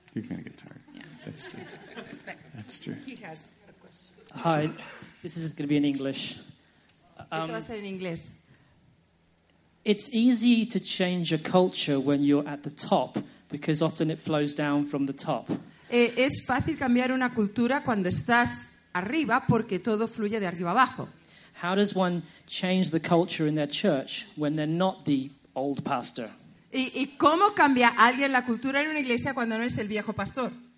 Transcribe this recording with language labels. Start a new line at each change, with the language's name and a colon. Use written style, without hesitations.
English: You're going to get tired. Yeah. That's true. That's true. He has a question. Hi, this is going to be in English.
Spanish: Esto va a ser en inglés.
English: It's easy to change a culture when you're at the top, because often it flows down from the top.
Spanish: Es fácil cambiar una cultura cuando estás arriba, porque todo fluye de arriba abajo.
English: How does one change the culture in their church when they're not the old pastor?
Spanish: ¿Y cómo cambia alguien la cultura en una iglesia cuando no es el viejo pastor?